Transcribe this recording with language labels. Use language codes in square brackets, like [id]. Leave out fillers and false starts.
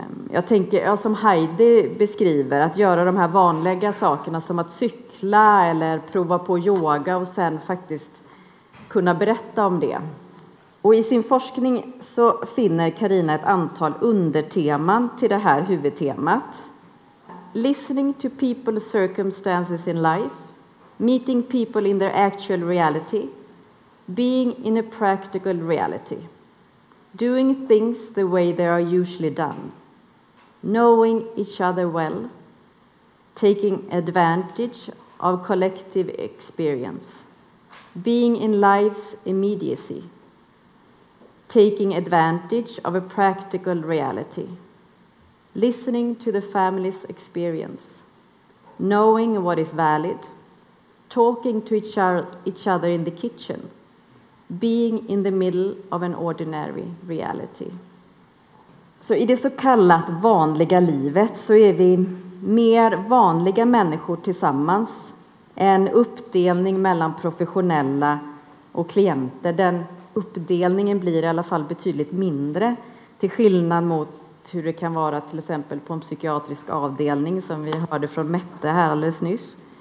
[sv] Jag tänker, som Heidi beskriver, att göra de här vanliga sakerna som att cykla eller prova på yoga och sen faktiskt kunna berätta om det. Och i sin forskning så finner Carina ett antal underteman till det här huvudtemat. [en] Listening to people's circumstances in life. Meeting people in their actual reality. Being in a practical reality. Doing things the way they are usually done. Knowing each other well. Taking advantage of collective experience. Being in life's immediacy. Taking advantage of a practical reality. Listening to the family's experience. Knowing what is valid. Talking to each other in the kitchen. Being in the middle of an ordinary reality. [sv] Så i det så kallat vanliga livet så är vi mer vanliga människor tillsammans. En uppdelning mellan professionella och klienter. Den uppdelningen blir i alla fall betydligt mindre till skillnad mot hur det kan vara till exempel på en psykiatrisk avdelning som vi hörde från Mette här alldeles nyss.